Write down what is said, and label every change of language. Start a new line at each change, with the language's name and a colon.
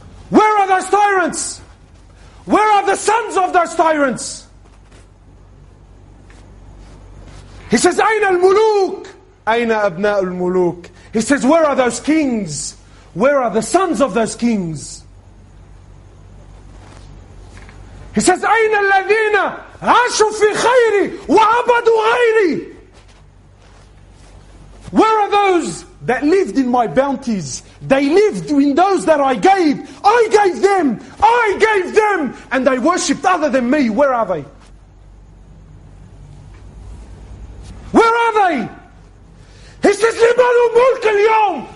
English: Where are those tyrants? Where are the sons of those tyrants?
Arabic: He says, Ayn al-Muluk? Ayn abna al-Muluk?
English: He says, where are those kings? Where are the sons of those kings? He says, Ayn al-Ladina?
Arabic: عاشوا في خيري وعبدوا غيري.
English: Where are those that lived in my bounties? They lived in those that I gave. I gave them. And they worshipped other than me. Where are they? Where are they? He says, لما Man al-mulk al-yawm.